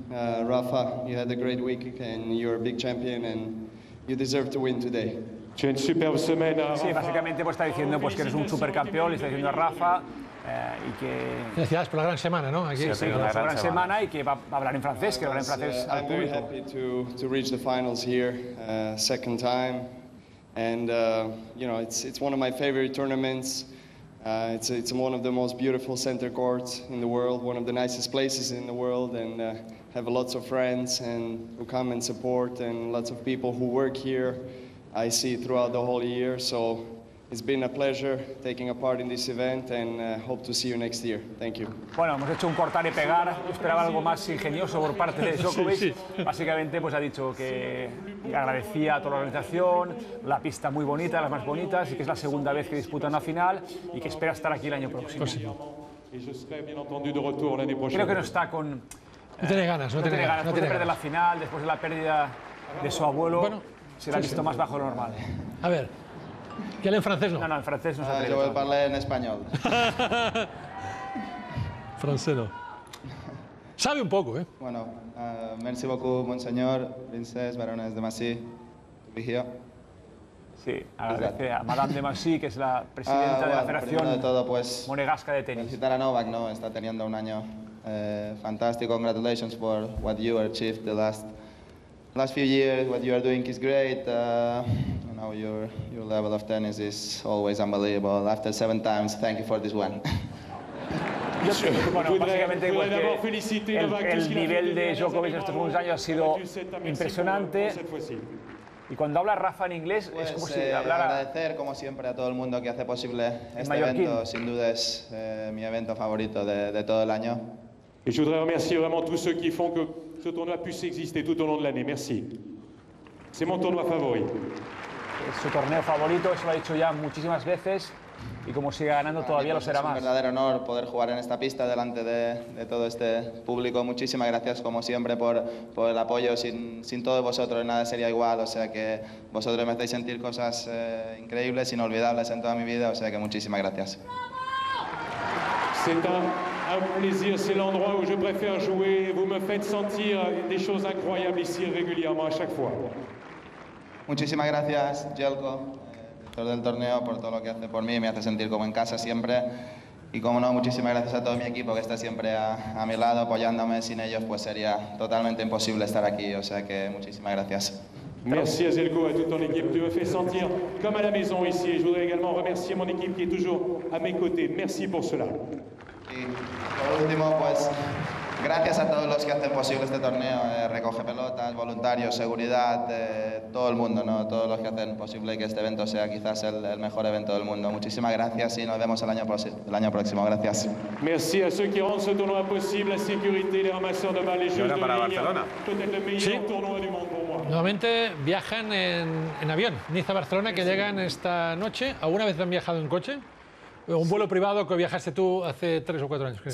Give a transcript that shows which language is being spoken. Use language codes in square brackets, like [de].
[en] Rafa, you had a great week and you're a big champion and you deserve to win today. [es] Sí, básicamente está diciendo que eres un supercampeón, le está diciendo a Rafa y que... Felicidades por la gran semana, ¿no? Aquí. Sí, por la gran semana y que va a hablar en francés, que va a hablar en francés al público. [en] I'm very happy to reach the finals here, second time. And, you know, it's one of my favorite tournaments. It's one of the most beautiful center courts in the world, one of the nicest places in the world, and have lots of friends and who come and support, and lots of people who work here. I see throughout the whole year, so it's been a pleasure taking a part in this event, and hope to see you next year. Thank you. [es] Bueno, hemos hecho un cortar y pegar. Yo esperaba algo más ingenioso por parte de Djokovic. Básicamente, pues ha dicho que agradecía a toda la organización, la pista muy bonita, las más bonitas, y que es la segunda vez que disputa una final y que espera estar aquí el año próximo. Creo que no está con... No tiene ganas de perder la final después de la pérdida de su abuelo. Bueno, se la ha visto más bajo lo normal. A ver, ¿qué en francés? No, en francés no se atreve. Yo voy a hablar en español. Francero. Sabe un poco, ¿eh? Bueno, [fr] merci beaucoup, [es] monseñor, princesa, barones de Massy, [en] to be here. [es] Sí, agradece a Madame de Massy, que es la presidenta de la Federación de todo, pues, Monegasca de Tenis. Felicitar a Novak, ¿no? Está teniendo un año fantástico. [en] Congratulations for what you achieved the last few years. What you are doing is great. You know, your level of tennis is always unbelievable. After 7 times, thank you for this one. [es] El nivel de Djokovic en estos últimos años ha sido impresionante. Y cuando habla Rafa en inglés, pues, es como si hablara... Agradecer, como siempre, a todo el mundo que hace posible este evento. Sin duda es mi evento favorito de todo el año. Y yo quiero agradecer a todos los que hacen que este torneo pueda existir todo el año. Gracias. Es mi torneo favorito. Es su torneo favorito, eso lo ha dicho ya muchísimas veces. Y como sigue ganando, todavía lo será más. Es un verdadero honor poder jugar en esta pista delante de todo este público. Muchísimas gracias, como siempre, por el apoyo. Sin todos vosotros nada sería igual. O sea que vosotros me hacéis sentir cosas increíbles, inolvidables en toda mi vida. O sea que muchísimas gracias. [fr] C'est un plaisir, c'est l'endroit où je préfère jouer. Vous me faites sentir des choses incroyables ici régulièrement à chaque fois. [es] Muchísimas gracias, Djelko. Del torneo, por todo lo que hace por mí, me hace sentir como en casa siempre. Y como no, muchísimas gracias a todo mi equipo que está siempre a mi lado apoyándome. Sin ellos, pues sería totalmente imposible estar aquí. O sea que muchísimas gracias. [fr] Merci a Djelko, a toute ton équipe. Tu me fais sentir comme à la maison ici. Y je voudrais également remercier mon équipe qui est toujours à mes côtés. Merci pour cela. [es] Y por último, pues. Gracias a todos los que hacen posible este torneo, recoge pelotas, voluntarios, seguridad, todo el mundo, ¿no? Todos los que hacen posible que este evento sea quizás el mejor evento del mundo. Muchísimas gracias y nos vemos el año próximo. Gracias. [fr] Merci a ceux qui rendent ce tournoi possible, la sécurité, les ramasseurs de balles, les jeux de ligne. [es] Para Barcelona. [fr] Sí. Tournoi du monde pour moi. [es] Nuevamente viajan en avión, Niza-Barcelona, que sí. Llegan esta noche. ¿Alguna vez han viajado en coche? Un vuelo privado que viajaste tú hace 3 o 4 años, creo.